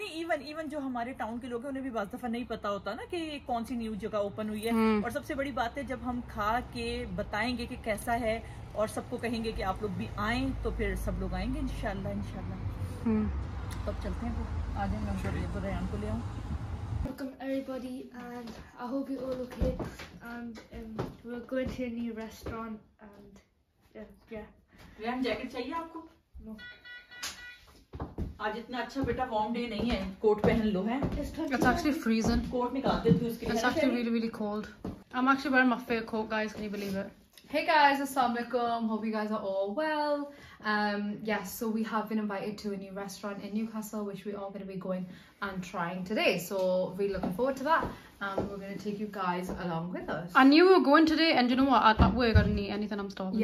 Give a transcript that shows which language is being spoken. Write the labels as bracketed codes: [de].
[hi] Even जो हमारे town के लोग हैं उन्हें भी बस दफा नहीं पता होता ना कि कौन सी न्यू जगह ओपन हुई है. और सबसे बड़ी बात है जब हम खा के बताएंगे कि कैसा है और सबको कहेंगे कि आप लोग भी आएं, तो फिर सब लोग आएंगे इंशाल्लाह इंशाल्लाह. तो अब चलते हैं, आज हम रेयान को ले आऊं. [en] Welcome everybody and I hope you all okay and we're going to a new restaurant and yeah. [hi] Ryan jacket चाहिए आपको? [en] No. [hi] आज इतना अच्छा बेटा वार्म डे नहीं है, कोट पहन लो. है [en] it's actually frozen, [hi] कोट निकाल देती हूं उसके [en] लिए. It's actually really really cold. I am actually wearing my fur coat guys, can you believe it. Hey guys, assalamu alaikum, hope you guys are all well. Yes, so we have been invited to a new restaurant in Newcastle which we are going to be going and trying today, so really looking forward to that and we're going to take you guys along with us. I knew we were going today and you know what, at work I didn't eat anything, I'm starving.